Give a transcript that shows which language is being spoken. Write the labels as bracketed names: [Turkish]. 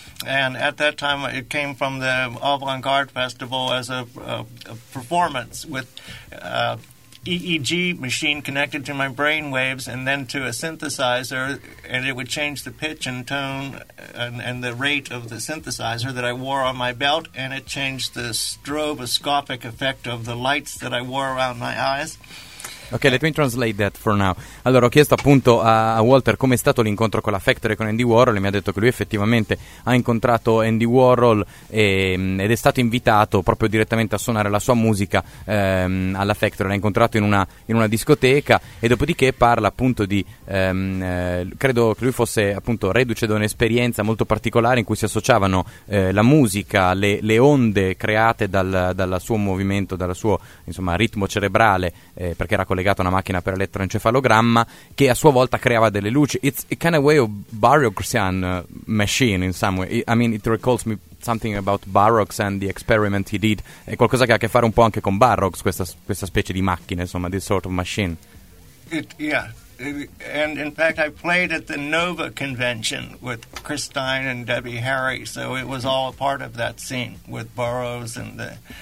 [English] And at that time, it came from the Avant-Garde Festival as a performance with EEG machine connected to my brain waves and then to a synthesizer, and it would change the pitch and tone and the rate of the synthesizer that I wore on my belt, and it changed the stroboscopic effect of the lights that I wore around my eyes. Ok, let me translate that for now. [Italian] Allora, ho chiesto appunto a Walter come è stato l'incontro con la Factory, con Andy Warhol, e mi ha detto che lui effettivamente ha incontrato Andy Warhol ed è stato invitato proprio direttamente a suonare la sua musica alla Factory. L'ha incontrato in una discoteca, e dopodiché parla appunto di credo che lui fosse appunto reduce da un'esperienza molto particolare in cui si associavano la musica, le onde create dal suo movimento, dal suo insomma ritmo cerebrale, perché era collegato a una macchina per elettroencefalogramma che a sua volta creava delle luci. [English] It's a kind of way of Baroque-sian machine in some way. I mean, it recalls me something about Baroque and the experiment he did. [Italian] È qualcosa che ha a che fare un po' anche con Baroque, questa specie di macchina, insomma, [English] this sort of machine. And in fact I played at the Nova convention with Chris Stein and Debbie Harry, so it was all a part of that scene with Burroughs and the